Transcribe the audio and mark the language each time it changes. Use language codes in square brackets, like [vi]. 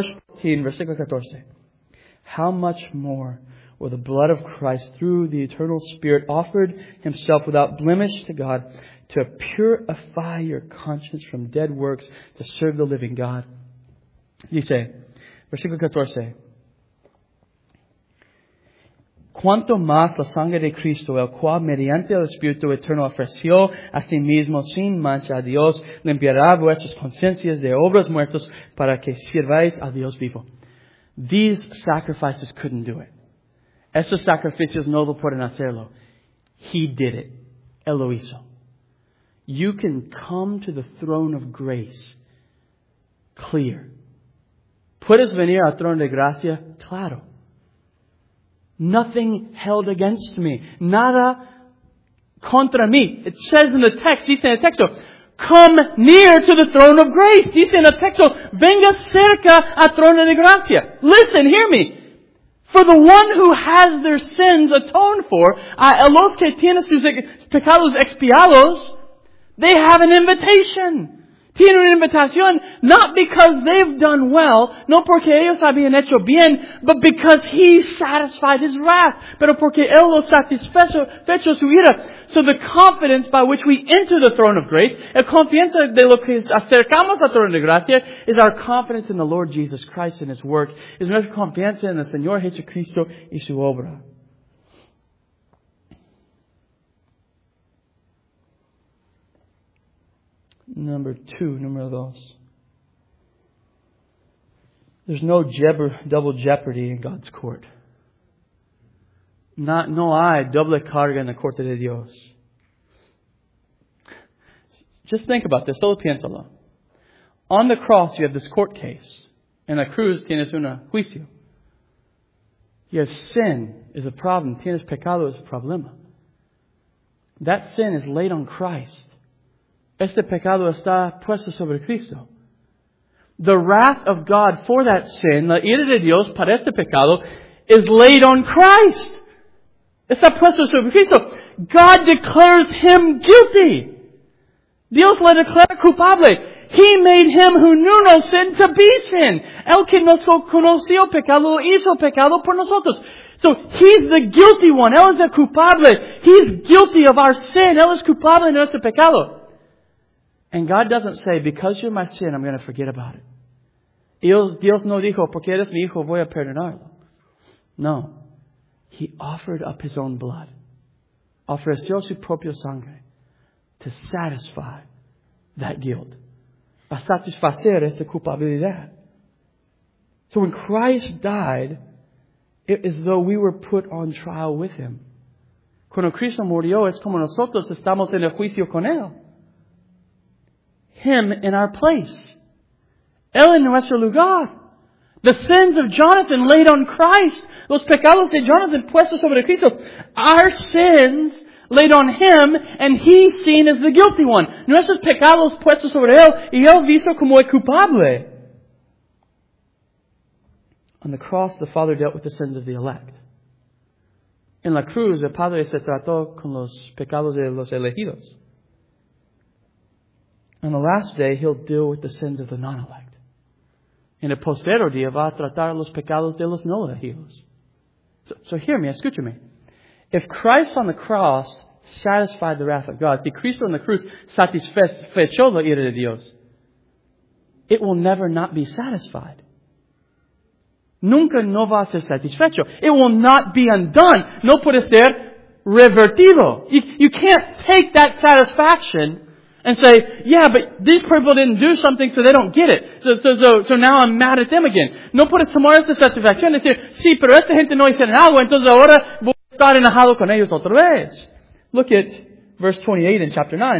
[en] Verse 14, [es] versículo 14. [en] How much more will the blood of Christ, through the eternal Spirit, offered himself without blemish to God, to purify your conscience from dead works to serve the living God? You say, versículo 14. [es] Cuanto más la sangre de Cristo, el cual mediante el Espíritu Eterno ofreció a sí mismo sin mancha a Dios, limpiará vuestras conciencias de obras muertas para que sirváis a Dios vivo. [en] These sacrifices couldn't do it. [es] Esos sacrificios no lo pueden hacerlo. [en] He did it. [es] Él lo hizo. [en] You can come to the throne of grace clear. [es] ¿Puedes venir al trono de gracia? Claro. [en] Nothing held against me. [es] Nada contra mí. [en] It says in the text, [es] dice en el texto, [en] come near to the throne of grace. [es] Dice en el texto, venga cerca al trono de gracia. [en] Listen, hear me. For the one who has their sins atoned for, [es] a los que tienen sus pecados expiados, [en] they have an invitation. [es] Tienen una invitación, [en] not because they've done well, [es] no porque ellos habían hecho bien, [en] but because he satisfied his wrath, [es] pero porque él lo satisfecho su ira. [en] So the confidence by which we enter the throne of grace, [es] el confianza de lo que acercamos al trono de gracia, [en] is our confidence in the Lord Jesus Christ and his work, is [es] nuestra confianza en el Señor Jesucristo y su obra. Número dos. [en] There's no double jeopardy in God's court. [es] No hay doble carga en la corte de Dios. [en] Just think about this. [es] Solo piénsalo. [en] On the cross, you have this court case. [es] En la cruz, tienes un juicio. [en] You have sin is a problem. [es] Tienes pecado [en] is a problema. That sin is laid on Christ. [es] Este pecado está puesto sobre Cristo. [en] The wrath of God for that sin, [es] la ira de Dios para este pecado, [en] is laid on Christ. [es] Está puesto sobre Cristo. [en] God declares him guilty. [es] Dios le declara culpable. [en] He made him who knew no sin to be sin. [es] El que no conoció pecado lo hizo pecado por nosotros. [en] So he's the guilty one. [es] Él es el culpable. [en] He's guilty of our sin. [es] Él es culpable de nuestro pecado. [en] And God doesn't say, because you're my sin, I'm going to forget about it. [es] Dios no dijo, porque eres mi hijo, voy a perdonarlo. No. [en] He offered up his own blood. [es] Ofreció su propia sangre [en] to satisfy that guilt. [es] A satisfacer esa culpabilidad. [en] So when Christ died, it is though we were put on trial with him. [es] Cuando Cristo murió, es como nosotros estamos en el juicio con él. [en] Him in our place. [es] Él en nuestro lugar. [en] The sins of Jonathan laid on Christ. [es] Los pecados de Jonathan puestos sobre Cristo. [en] Our sins laid on him, and he seen as the guilty one. [es] Nuestros pecados puestos sobre él, y él visto como el culpable. [en] On the cross, the Father dealt with the sins of the elect. [es] En la cruz, el Padre se trató con los pecados de los elegidos. [en] On the last day, he'll deal with the sins of the non-elect. [es] En el postero día, va a tratar los pecados de los no elegidos. [en] So hear me, [es] escúchame. [en] If Christ on the cross satisfied the wrath of God, [es] si Cristo en la cruz satisfechó la ira de Dios, [en] it will never not be satisfied. [es] Nunca no va a ser satisfecho. [en] It will not be undone. [es] No puede ser revertido. [en] You can't take that satisfaction and say, yeah, but these people didn't do something, so they don't get it. So now I'm mad at them again. [es] No puede tomar esta satisfacción y decir, sí, pero esta gente no hizo nada, entonces ahora voy a estar enojado con ellos otra vez. [en] Look at verse 28 in chapter 9.